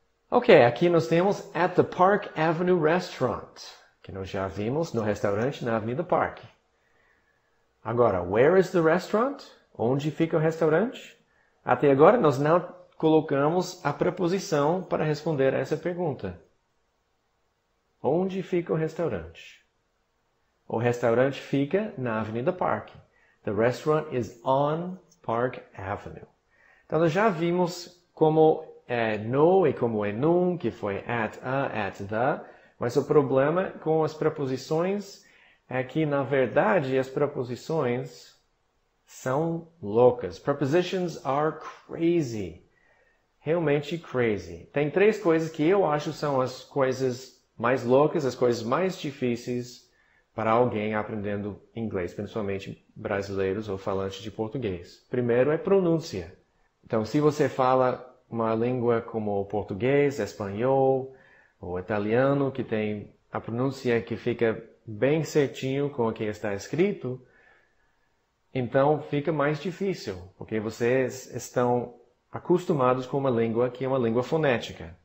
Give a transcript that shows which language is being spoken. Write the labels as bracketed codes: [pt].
[pt] Ok, aqui nós temos [en] at the Park Avenue Restaurant, [pt] que nós já vimos no restaurante na Avenida Park. Agora, [en] where is the restaurant? [pt] Onde fica o restaurante? Até agora, nós não colocamos a preposição para responder a essa pergunta. Onde fica o restaurante? O restaurante fica na Avenida Park. [en] The restaurant is on Park Avenue. [pt] Então, nós já vimos como é no e como é num, que foi [en] at a, at the. [pt] Mas o problema com as preposições é que, na verdade, as preposições são loucas. [en] Prepositions are crazy. [pt] Realmente crazy. Tem três coisas que eu acho são as coisas mais loucas, as coisas mais difíceis para alguém aprendendo inglês, principalmente brasileiros ou falantes de português. Primeiro é pronúncia. Então, se você fala uma língua como português, espanhol, o italiano, que tem a pronúncia que fica bem certinho com o que está escrito, então fica mais difícil, porque vocês estão acostumados com uma língua que é uma língua fonética.